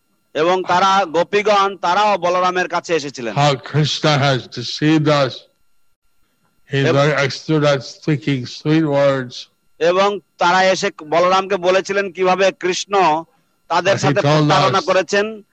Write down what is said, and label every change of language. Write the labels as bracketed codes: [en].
[bn] এবং তারা গোপীগণ তারাও বলরামের কাছে এসেছিলেন. [en] How Krishna has deceived us. He stood us speaking sweet words. [bn] এবং তারা এসে বলরামকে বলেছিলেন কিভাবে কৃষ্ণ তাদের সাথে প্রতারণা করেছেন.